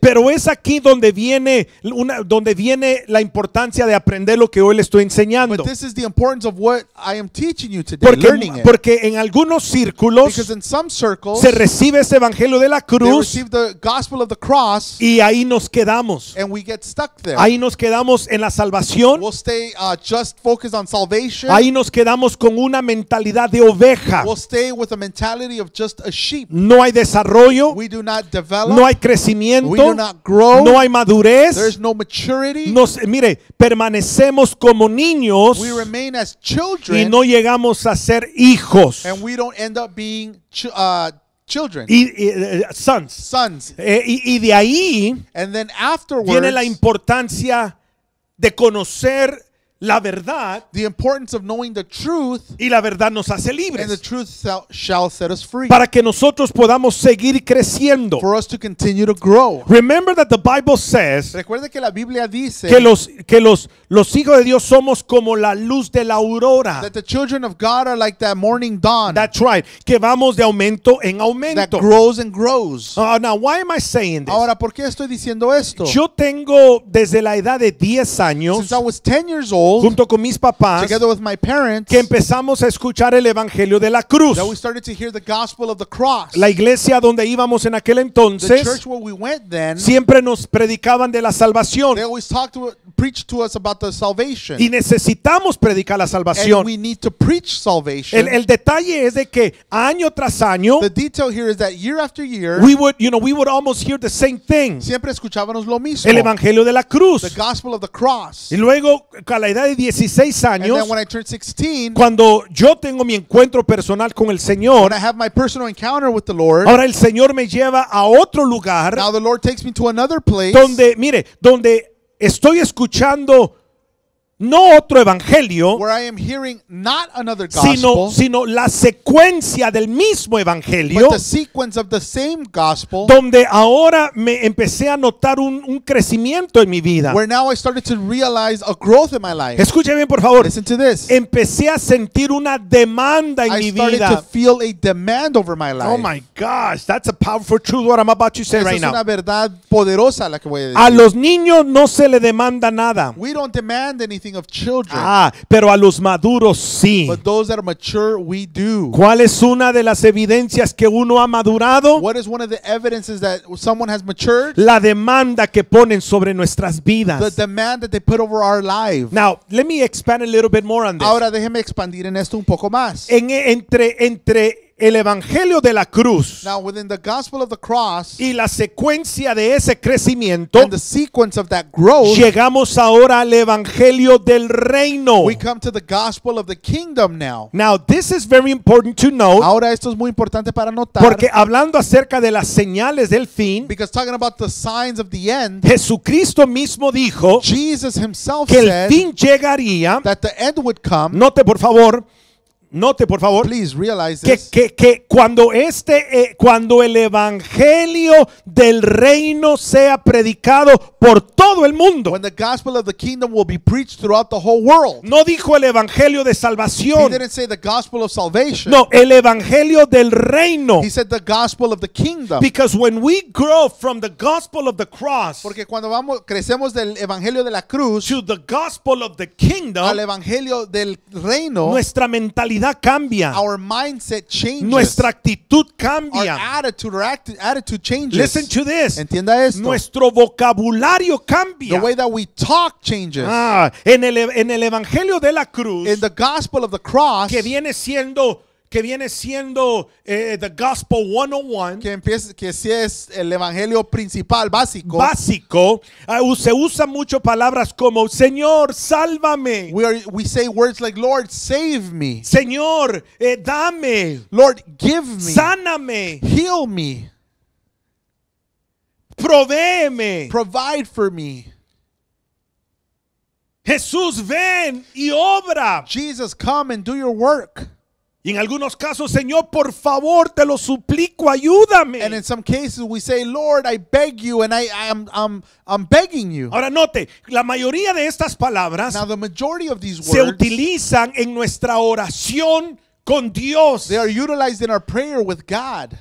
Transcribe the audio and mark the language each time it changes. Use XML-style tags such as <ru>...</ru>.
<es>Pero es aquí donde viene donde viene la importancia de aprender lo que hoy le estoy enseñando.</es> <en>But this is the importance of what I am teaching you today,</en> <es>porque,</es> <en>learning it.</en> <es>Porque en algunos círculos,</es> <en>because in some circles,</en> <es>se recibe ese evangelio de la cruz,</es> <en>they receive the gospel of the cross,</en> <es>y ahí nos quedamos,</es> <en>and we get stuck there.</en> <es>Ahí nos quedamos en la salvación,</es> <en>we'll stay just focused on salvation.</en> <es>Ahí nos quedamos con una mentalidad de oveja,</es> <en>we'll stay with a mentality of just a sheep.</en> <es>No hay desarrollo,</es> <en>we do not develop,</en> <es>no hay crecimiento,</es> <en>we do not grow,</en> <es>no hay madurez,</es> <en>there's no maturity.</en> <es>Nos, mire, permanecemos como niños,</es> <en>we remain as children,</en> <es>y no llegamos a ser hijos,</es> <en>and we don't end up being children, sons.</en> <es>Y de ahí,</es> <en>and then afterwards,</en> <es>viene la importancia de conocer la verdad,</es> <en>the importance of knowing the truth,</en> <es>y la verdad nos hace libres,</es> <en>and the truth shall set us free,</en> <es>para que nosotros podamos seguir creciendo,</es> <en>for us to continue to grow. Remember that the Bible says,</en> <es>recuerde que la Biblia dice, que los hijos de Dios somos como la luz de la aurora,</es> <en>that the children of God are like that morning dawn, that's right,</en> <es>que vamos de aumento en aumento,</es> <en>that grows and grows. Now why am I saying this?</en> <es>Ahora, ¿por qué estoy diciendo esto? Yo tengo desde la edad de 10 años,</es> <en>since I was 10 years old, old,</en> <es>junto con mis papás,</es> <en>together with my parents,</en> <es>que empezamos a escuchar el Evangelio de la Cruz.</es> <en>That we started to hear the gospel of the cross.</en> <es>La iglesia donde íbamos en aquel entonces,</es> <en>the church where we went then,</en> <es>siempre nos predicaban de la salvación.</es> <en>They always talked to, preached to us about the salvation.</en> <es>Y necesitamos predicar la salvación.</es> <en>And we need to preach salvation.</en> <es>El detalle es de que año tras año,</es> <en>the detail here is that year after year, we would almost hear the same thing.</en> <es>Siempre escuchábamos lo mismo. El Evangelio de la Cruz.</es> <en>The gospel of the cross.</en> <es>Y luego, a la edad de 16 años,</es> <en>and then when I turned 16,</en> <es>cuando yo tengo mi encuentro personal con el Señor,</es> <en>when I have my personal encounter with the Lord,</en> <es>ahora el Señor me lleva a otro lugar.</es> <en>Now the Lord takes me to another place.</en> <es>Donde, mire, donde estoy escuchando no otro evangelio,</es> <en>where I am hearing not another gospel,</en> <es>sino la secuencia del mismo evangelio,</es> <en>but the sequence of the same gospel,</en> <es>donde ahora me empecé a notar un crecimiento en mi vida,</es> <en>where now I started to realize a growth in my life.</en> <es>Escuche bien, por favor.</es> <en>Listen to this.</en> <es>Empecé a sentir una demanda en</es> <en>I</en> <es>mi vida.</es> <en>I started to feel a demand over my life. Oh my gosh, that's a powerful truth what I'm about to say.</en> <es>Esa</es> <en>right</en> <es>es</es> <en>now.</en> <es>Una verdad poderosa la que voy a decir. A los niños no se le demanda nada.</es> <en>We don't demand anything of children.</en> <es>Ah, pero a los maduros sí.</es> <en>But those that are mature, we do.</en> <es>¿Cuál es una de las evidencias que uno ha madurado?</es> <en>What is one of the evidences that someone has matured?</en> <es>La demanda que ponen sobre nuestras vidas.</es> <en>The demand that they put over our lives. Now, let me expand a little bit more on this.</en> <es>Ahora déjeme expandir en esto un poco más. Entre el Evangelio de la Cruz.</es> <en>Now, within the gospel of the cross,</en> <es>y la secuencia de ese crecimiento.</es> <en>And the sequence of that growth,</en> <es>llegamos ahora al Evangelio del Reino.</es> <en>We come to the gospel of the kingdom now. Now, this is very important to note.</en> <es>Ahora esto es muy importante para notar. Porque hablando acerca de las señales del fin.</es> <en>Because talking about the signs of the end.</en> <es>Jesucristo mismo dijo.</es> <en>Jesus himself</en> <es>que el fin llegaría.</es> <en>That the end would come.</en> <es>Note por favor</es> <en>please realize</en> <es>que cuando este cuando el evangelio del reino sea predicado por todo el mundo,</es> <en>when the gospel of the kingdom will be preached throughout the whole world,</en> <es>no dijo el evangelio de salvación,</es> <en>he didn't say the gospel of salvation,</en> <es>no, el evangelio del reino,</es> <en>he said the gospel of the kingdom, because when we grow from the gospel of the cross,</en> <es>porque cuando vamos crecemos del evangelio de la cruz,</es> <en>to the gospel of the kingdom,</en> <es>al evangelio del reino, nuestra mentalidad cambia.</es> <en>Our mindset changes.</en> <es>Nuestra actitud cambia.</es> <en>Our attitude changes. Listen to this.</en> <es>Entienda esto. Nuestro vocabulario cambia.</es> <en>The way that we talk changes.</en> <es>Ah, en el Evangelio de la Cruz.</es> <en>In the gospel of the cross.</en> <es>Que viene siendo</es> <en>the gospel 101.</en> <es>Que sí es el evangelio principal, básico. Básico. Se usa mucho palabras como Señor, sálvame.</es> <en>We say words like Lord, save me.</en> <es>Señor, dame.</es> <en>Lord, give me.</en> <es>Sáname.</es> <en>Heal me.</en> <es>Provéeme.</es> <en>Provide for me.</en> <es>Jesús, ven y obra.</es> <en>Jesus, come and do your work.</en> <es>Y en algunos casos, Señor, por favor, te lo suplico, ayúdame.</es> <en>And in some cases we say, Lord, I beg you, and I'm begging you.</en> <es>Ahora note, la mayoría de estas palabras,</es> <en>now, the majority of these words,</en> <es>se utilizan en nuestra oración con Dios.</es> <en>They are utilized in our prayer with God.</en>